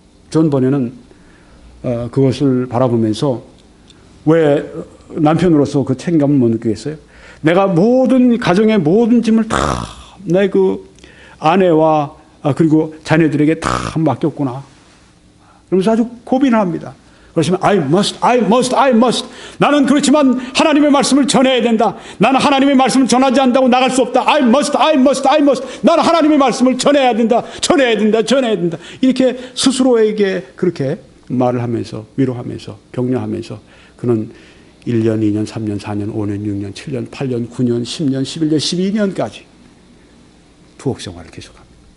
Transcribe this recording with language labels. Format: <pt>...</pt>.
<ko>존 버넨은 그것을 바라보면서 왜 남편으로서 그 책임감을 못 느끼겠어요? 내가 모든 가정의 모든 짐을 다내그 아내와 그리고 자녀들에게 다 맡겼구나. 그러면서 아주 고민을 합니다. 그러시면</ko> <en>I must, I must, I must.</en> <ko>나는 그렇지만 하나님의 말씀을 전해야 된다. 나는 하나님의 말씀을 전하지 않는다고 나갈 수 없다.</ko> <en>I must, I must, I must.</en> <ko>나는 하나님의 말씀을 전해야 된다. 전해야 된다. 전해야 된다. 이렇게 스스로에게 그렇게 말을 하면서 위로하면서 격려하면서 그는 1년, 2년, 3년, 4년, 5년, 6년, 7년, 8년, 9년, 10년, 11년, 12년까지 부엌 생활을 계속합니다.</ko>